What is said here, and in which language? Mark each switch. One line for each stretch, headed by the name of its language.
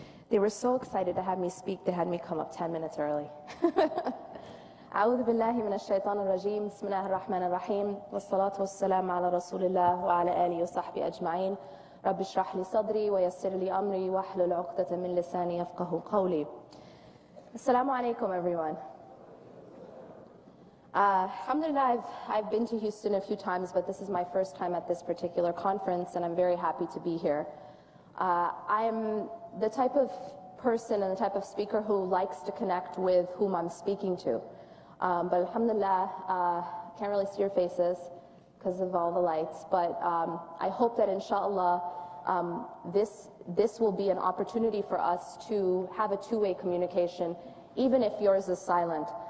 English: They were so excited to have me speak, they had me come up 10 minutes early.
Arabic: أعوذ بالله من الشيطان الرجيم بسم الله الرحمن الرحيم والصلاة والسلام على رسول الله وعلى آله وصحبه أجمعين رب اشرح لي صدري ويسر لي أمري واحلل عقدة من لساني يفقه قولي. السلام عليكم everyone.
English: Alhamdulillah, I've been to Houston a few times, but this is my first time at this particular conference, and I'm very happy to be here. I'm the type of person and the type of speaker who likes to connect with whom I'm speaking to. But alhamdulillah, can't really see your faces because of all the lights, but I hope that inshallah, this will be an opportunity for us to have a two-way communication, even if yours is silent.